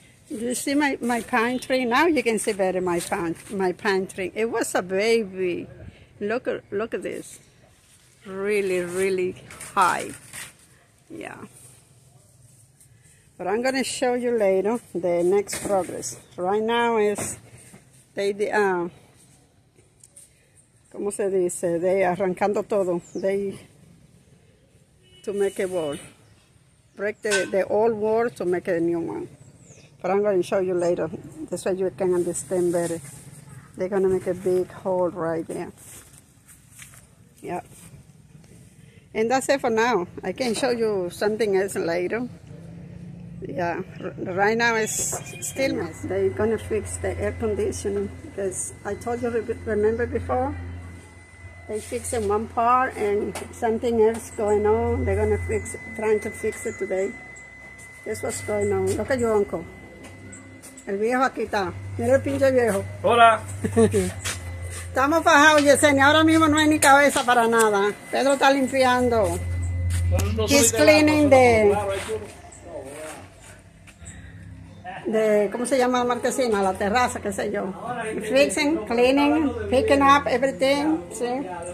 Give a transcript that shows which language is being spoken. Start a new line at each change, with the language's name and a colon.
English: You see my pine tree? Now you can see better my pine tree. It was a baby. Look at this. Really, really high. Yeah. But I'm gonna show you later the next progress. Right now is
Spanish: ¿cómo se dice? De arrancando todo.
English: They to make a wall. Break the old wall to make a new one. But I'm going to show you later. This way you can understand better. They're going to make a big hole right there. Yeah. And that's it for now. I can show you something else later. Yeah, right now it's still mess. They're gonna fix the air conditioning because I told you, remember before? They fixing one part and something else going on. They're gonna fix it, trying to fix it today. This what's going on. Look at your uncle.
Spanish: El viejo aquí está. Mira el pinche viejo. Hola. Estamos fajados, Yesenia. Ahora mismo no hay ni cabeza para nada. Pedro está limpiando.
English: He's cleaning the...
Spanish: De, ¿cómo se llama la marquesina? La terraza, qué sé yo.
English: Fixing, cleaning, picking up everything. ¿Sí?